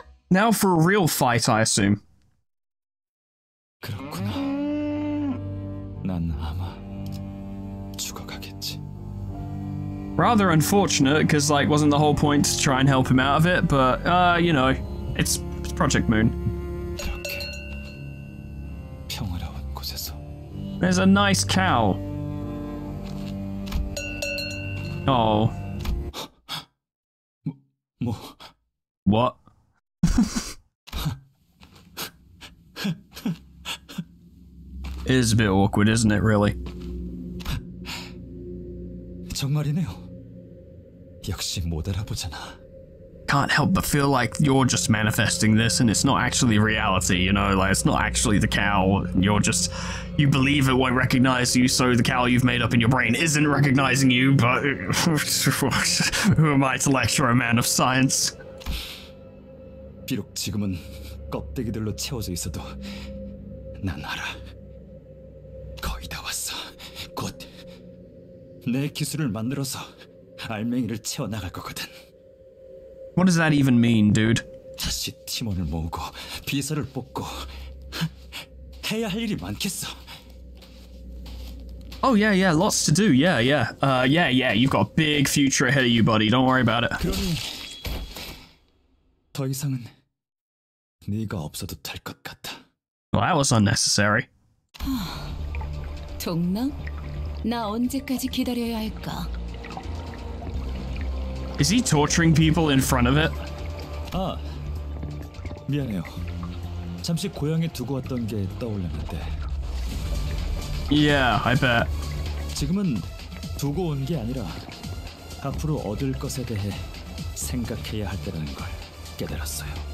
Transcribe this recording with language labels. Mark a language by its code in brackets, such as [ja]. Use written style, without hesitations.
[en] Now for a real fight, I assume. [ko] 그렇구나. 난 아마 죽어가겠지. [en] Rather unfortunate, because like, wasn't the whole point to try and help him out of it, but you know, it's Project Moon. [ko] 이렇게 평화로운 곳에서. [en] There's a nice cow. Oh. [ko] 뭐? [en] What? It is a bit awkward, isn't it, really? [ko] 정말이네요. 역시 못 알아보잖아. [en] Can't help but feel like you're just manifesting this and it's not actually reality, you know? Like, it's not actually the cow. You're just... You believe it won't recognize you, so the cow you've made up in your brain isn't recognizing you, but... Who am I to lecture a man of science? [ko] 비록 지금은 껍데기들로 채워져 있어도 난 알아. 거의 다 왔어. 곧 내 기술을 만들어서 알맹이를 채워 나갈 거거든. [en] What does that even mean, dude? [ko] 다시 팀원을 모으고 비서를 뽑고 해야 할 일이 많겠어. [en] Oh yeah, yeah, lots to do. Yeah, yeah. Yeah, yeah. You've got a big future ahead of you, buddy. Don't worry about it. [ko] 더 이상은 네가 없어도 될 것 같아. [en] Well, that was unnecessary. [ko] 동랑? 나 언제까지 기다려야 할까? [en] Is he torturing people in front of it? [ko] 아, 미안해요. 잠시 고향에 두고 왔던 게 떠올랐는데. [en] Yeah, I bet. [ko] 지금은 두고 온 게 아니라 앞으로 얻을 것에 대해 생각해야 할 때라는 걸 깨달았어요.